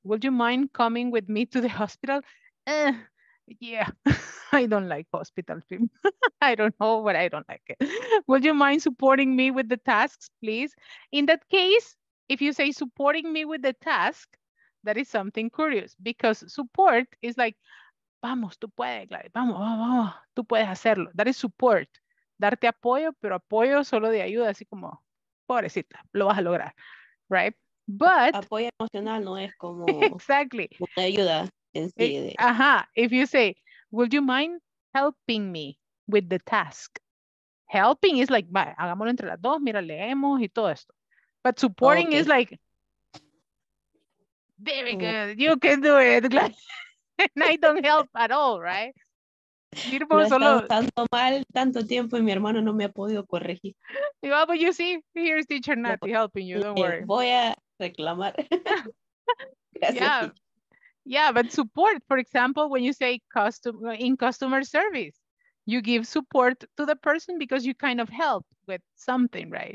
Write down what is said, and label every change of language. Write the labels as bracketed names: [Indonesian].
[English] Would you mind coming with me to the hospital? Yeah, I don't like hospital team. I don't know, but I don't like it. Would you mind supporting me with the tasks, please? In that case, if you say supporting me with the task, that is something curious because support is like, [Spanish] vamos, tú puedes, [English] Gladys. [Spanish] Vamos, vamos, vamos, tú puedes hacerlo. [English] That is support. [Spanish] Darte apoyo, pero apoyo solo de ayuda, así como, pobrecita, lo vas a lograr, right? [English] But [Spanish] apoyo emocional no es como [English] exactly [Spanish] ayuda en sí. [English] If you say, would you mind helping me with the task? Helping is like, [Spanish] vale, hagámoslo entre las dos, mira, leemos y todo esto. [English] But supporting is like, very good, you can do it. And I don't help at all, right? [Spanish] Sirvo no solo. Tanto mal, tanto tiempo, y mi hermano no me ha podido corregir. [English] Yeah, but you see, here's teacher Nati helping you, don't worry. [Spanish] Voy a reclamar. [English] Gracias, yeah. Yeah, but support, for example, when you say customer service, you give support to the person because you kind of help with something, right?